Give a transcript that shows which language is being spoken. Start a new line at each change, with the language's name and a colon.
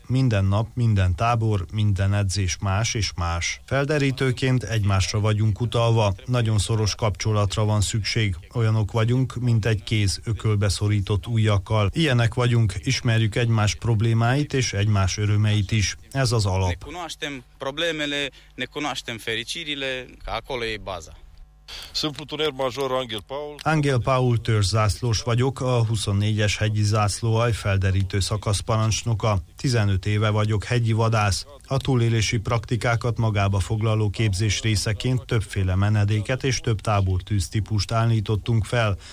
Hungarian: Minden nap, minden tábor, minden edzés más és más. Felderítőként egymásra vagyunk utalva, nagyon szoros kapcsolatra van szükség. Olyanok vagyunk, mint egy kéz ökölbeszorított ujjakkal. Ilyenek vagyunk, ismerjük egymás problémáit és egymás örömeit is. Ez az alap.
Romanian: Ne cunoaștem problemele, ne cunoaștem fericirile, acolo e baza.
Hungarian: Angel Paul törzszászlós vagyok, a 24-es hegyi zászlóalj felderítő szakasz parancsnoka. 15 éve vagyok hegyi vadász. A túlélési praktikákat magába foglaló képzés részeként többféle menedéket és több tábortűztípust állítottunk fel.